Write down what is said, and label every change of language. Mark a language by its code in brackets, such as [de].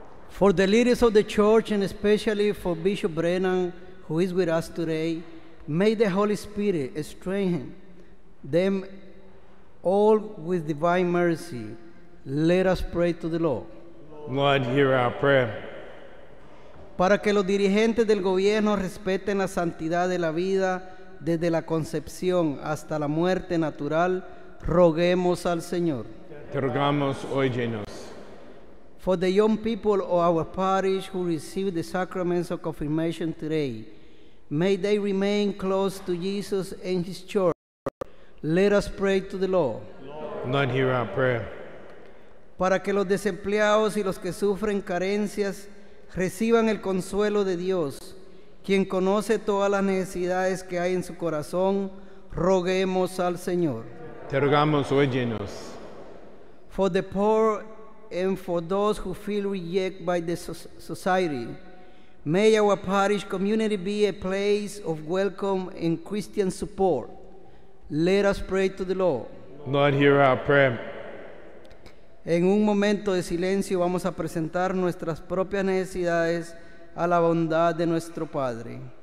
[en] For the leaders of the church, and especially for Bishop Brennan, who is with us today, may the Holy Spirit strengthen them all with divine mercy. Let us pray to the Lord. Lord, hear our prayer. [es] Para que los dirigentes del gobierno respeten la santidad de la vida desde la concepción hasta la muerte natural, roguemos al Señor. Te rogamos, óyenos. [en] For the young people of our parish who receive the sacraments of confirmation today, may they remain close to Jesus and his church. Let us pray to the Lord. Lord, hear our prayer. [es] Para que los desempleados y los que sufren carencias reciban el consuelo de Dios, quien conoce todas las necesidades que hay en su corazón, roguemos al Señor. Te rogamos, óyenos. [en] For the poor and for those who feel rejected by the society, may our parish community be a place of welcome and Christian support. Let us pray to the Lord. Lord, hear our prayer. [es] En un momento de silencio vamos a presentar nuestras propias necesidades a la bondad de nuestro Padre.